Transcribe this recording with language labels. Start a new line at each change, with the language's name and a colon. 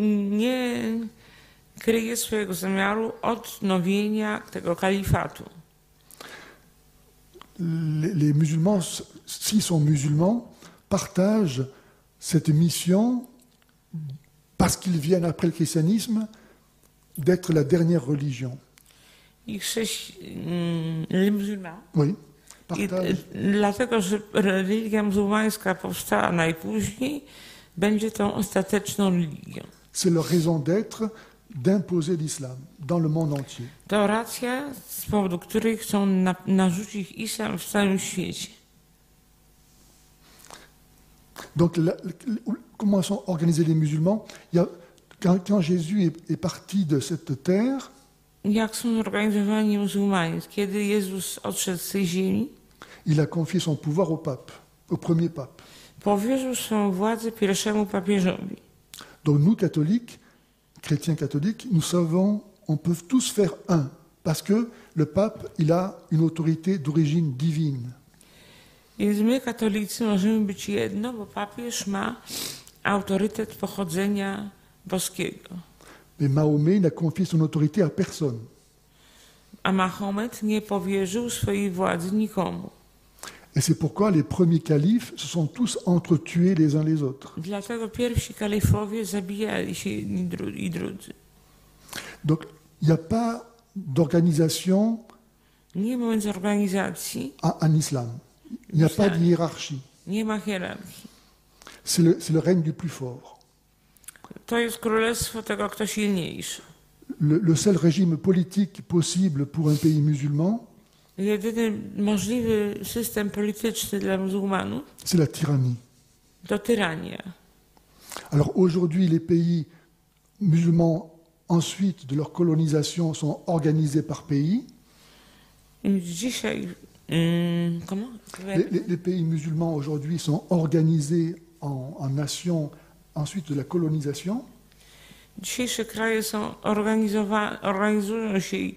Polish: Nie kryje swojego zamiaru odnowienia tego kalifatu.
French: Les musulmans, s'ils sont musulmans, partagent cette mission, parce qu'ils viennent après le christianisme, d'être la dernière religion. Les musulmans. Oui.
Polish: Dlatego, że religia muzułmańska powstała najpóźniej, będzie tą ostateczną religią.
French: C'est leur raison d'être d'imposer l'islam dans le monde entier.
Polish: To racja, z powodu której chcą narzucić islam w całym świecie.
French: Donc, comment sont organisés les musulmans? Quand Jésus est parti de cette terre,
Polish: jak są zorganizowani muzułmanie, kiedy Jezus odszedł z tej ziemi?
French: Il a confié son pouvoir au pape, au premier pape.
Polish: Powierzył swą władzę pierwszemu papieżowi.
French: Donc nous catholiques, chrétiens catholiques, nous savons, on peut tous faire un, parce que le pape, il a une autorité d'origine divine.
Polish: Więc my katolicy możemy być jedno, bo papież ma autorytet pochodzenia boskiego.
French: Mais Mahomet n'a confié son autorité à personne.
Polish: A Mahomet nie powierzył swojej władzy nikomu.
French: Et c'est pourquoi les premiers califes se sont tous entretués les uns les autres.
Polish: Dlatego pierwsi kalifowie zabijali się jedni i drudzy.
French: Donc, il n'y a pas d'organisation.
Polish: Nie ma więc organizacji.
French: En islam. Il n'y a pas de hiérarchie.
Polish: Nie ma hierarchii.
French: C'est le règne du plus fort.
Polish: To jest królestwo tego, kto silniejszy.
French: Le seul régime politique possible pour un pays musulman.
Polish: Jedyny możliwy system polityczny dla muzułmanów.
French: C'est la tyrannie.
Polish: To tyrania.
French: Alors aujourd'hui, les pays musulmans, ensuite de leur colonisation, sont organisés par pays.
Polish: Dzisiaj,
French: comment? Les pays musulmans aujourd'hui sont organisés en nations, ensuite de la colonisation.
Polish: Dzisiejsze kraje są organizują się.